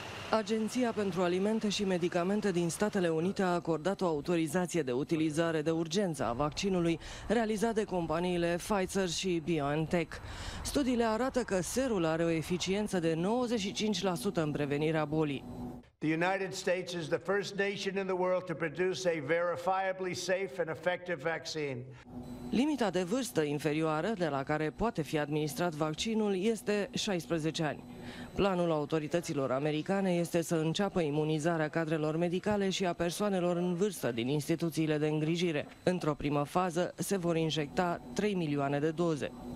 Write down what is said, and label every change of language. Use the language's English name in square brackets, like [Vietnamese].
[Romanian] Agenția pentru Alimente și Medicamente din Statele Unite a acordat o autorizație de utilizare de urgență a vaccinului realizat de companiile Pfizer și BioNTech. Studiile arată că serul are o eficiență de 95% în prevenirea bolii. [English] The United States is the first nation in the world to produce a verifiably safe and effective vaccine. [Romanian] Limita de vârstă inferioară de la care poate fi administrat vaccinul este 16 ani. Planul autorităților americane este să înceapă imunizarea cadrelor medicale și a persoanelor în vârstă din instituțiile de îngrijire. Într-o primă fază se vor injecta 3 milioane de doze.